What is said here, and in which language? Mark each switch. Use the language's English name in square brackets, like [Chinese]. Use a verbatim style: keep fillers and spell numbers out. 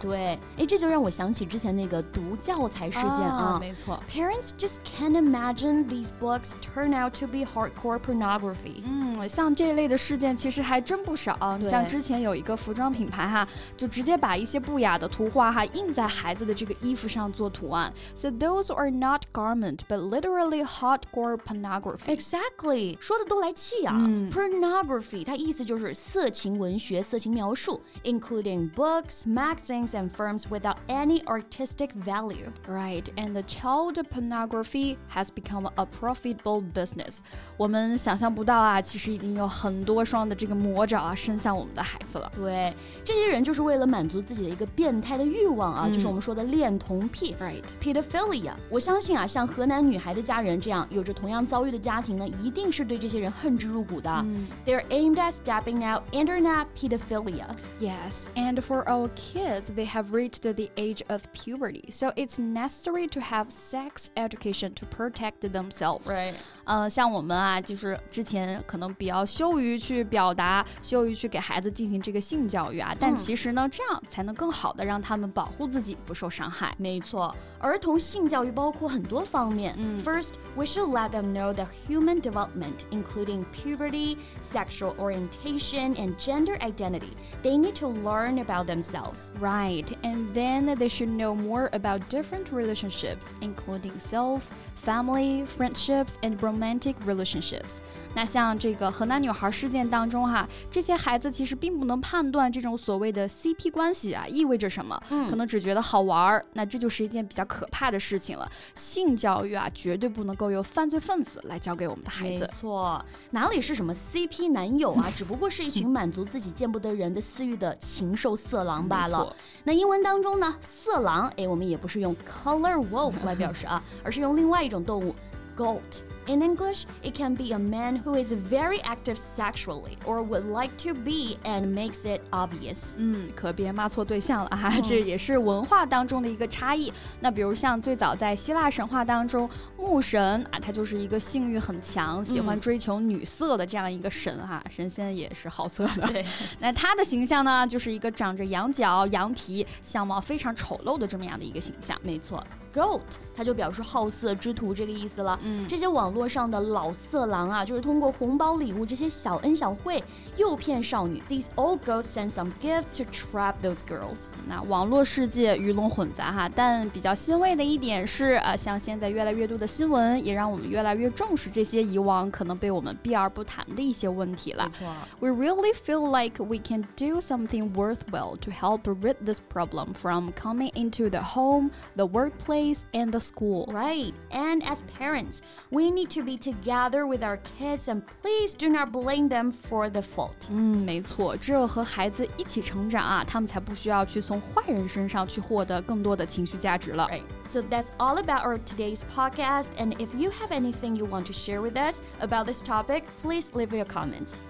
[Chinese] 对，哎，这就让我想起之前那个毒教材事件啊。啊没错。 [English] Parents just can't imagine. These books turn out to be hardcore pornography. [Chinese] 嗯，像这类的事件其实还真不少。你像之前有一个服装品牌哈，就直接把一些不雅的图画哈印在孩子的这个衣服上做图案。 [English] So those are not garment, but literally hardcore pornography. Exactly. [Chinese] 说的都来气啊。嗯、 [English] pornography [Chinese] 它意思就是色情文学、色情描述 [English] ，including books, magazines, and films without any artistic value. Right. And the child pornography has become a profitable business. [Chinese] 我们想象不到啊，其实已经有很多双的这个魔爪啊伸向我们的孩子了。对，这些人就是为了满足自己的一个变态的欲望啊，嗯、就是我们说的恋童癖 [English] right. pedophilia。 [Chinese] 我相信啊，像河南女孩的家人这样有着同样遭遇的家庭呢，一定是对这些人恨之入骨的。嗯、 [English] They're aimed at stamping out internet pedophilia. Yes, and for our kids, they have reached the age of puberty, so it's necessary to have sex education to protect them themselves. Right. [Chinese] 呃，像我们啊，就是之前可能比较羞于去表达，羞于去给孩子进行这个性教育啊，但其实呢，这样才能更好的让他们保护自己不受伤害。没错，儿童性教育包括很多方面。嗯 [English] First, we should let them know that human development, including puberty, sexual orientation, and gender identity, they need to learn about themselves. Right, and then they should know more about different relationships, including self. Family, friendships, and romantic relationships. [Chinese] 那像这个河南女孩事件当中哈，这些孩子其实并不能判断这种所谓的 C P 关系啊意味着什么，嗯，可能只觉得好玩，那这就是一件比较可怕的事情了。性教育啊，绝对不能够由犯罪分子来教给我们的孩子。没错，哪里是什么 C P 男友啊，只不过是一群满足自己见不得人的私欲的禽兽色狼罢了。那英文当中呢，色狼，哎，我们也不是用 [English] color wolf [Chinese] 来表示啊，而是用另外一种动物 goat. [English] In English, it can be a man who is very active sexually or would like to be and makes it obvious. [Chinese] 嗯，可别骂错对象了啊，嗯，这也是文化当中的一个差异。那比如像最早在希腊神话当中，牧神啊，他就是一个性欲很强，喜欢追求女色的这样一个神哈，啊，神仙也是好色的。对，那他的形象呢，就是一个长着羊角、羊蹄、相貌非常丑陋的这么样的一个形象。没错。Goat， 它就表示好色之徒这个意思了。嗯，这些网络上的老色狼啊，就是通过红包礼物这些小恩小惠诱骗少女。 [English] These old goats send some gift to trap those girls。 [Chinese] 那网络世界鱼龙混杂哈，但比较欣慰的一点是啊，像现在越来越多的新闻，也让我们越来越重视这些以往可能被我们避而不谈的一些问题了。没错。 [English] We really feel like we can do something worthwhile to help rid this problem from coming into the home, the workplace. And the school. Right. And as parents, we need to be together with our kids and please do not blame them for the fault. [Chinese] 嗯，没错，只有和孩子一起成长啊，他们才不需要去从坏人身上去获得更多的情绪价值了。 [English] Right. So that's all about our today's podcast. And if you have anything you want to share with us about this topic, please leave your comments.